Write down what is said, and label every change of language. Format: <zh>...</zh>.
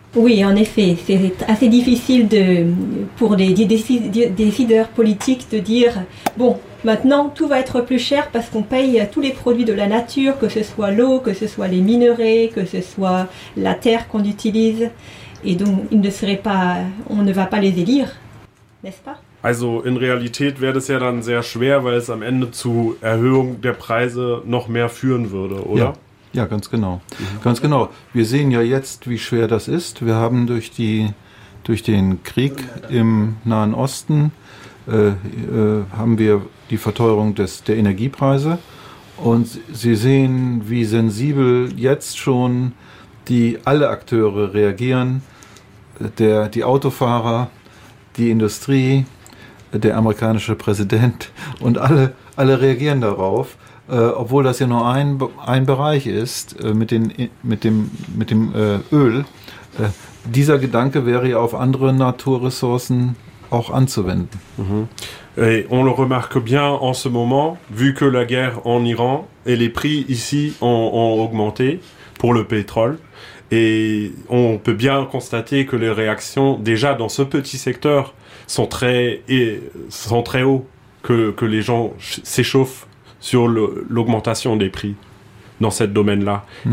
<fr>Oui, en effet, c'est assez difficile pour les décideurs politiques de dire « Bon, maintenant, tout va être plus cher parce qu'on paye tous les produits de la nature, que ce soit l'eau, que ce soit les minerais, que ce soit la terre qu'on utilise. » Et donc, on ne va pas les élire, n'est-ce pas ?</fr> <de>Also, in Realität wäre das ja dann sehr schwer, weil es am Ende zu Erhöhung der Preise noch mehr führen würde, oder? Ja. Ja, ganz genau. Ganz genau. Wir sehen ja jetzt, wie schwer das ist. Wir haben durch den Krieg im Nahen Osten haben wir die Verteuerung der Energiepreise. Und Sie sehen, wie sensibel jetzt schon alle Akteure reagieren. Die Autofahrer, die Industrie, der amerikanische Präsident und alle reagieren darauf. Obwohl das ja nur ein Bereich ist mit dem Öl, dieser Gedanke wäre ja auf andere Naturressourcen auch anzuwenden. Mm-hmm.</de> <fr>Et on le remarque bien en ce moment, vu que la guerre en Iran et les prix ici ont augmenté pour le pétrole, et on peut bien constater que les réactions déjà dans ce petit secteur sont très hauts, que les gens s'échauffent sur l'augmentation des prix dans ce domaine-là. Mmh.</fr>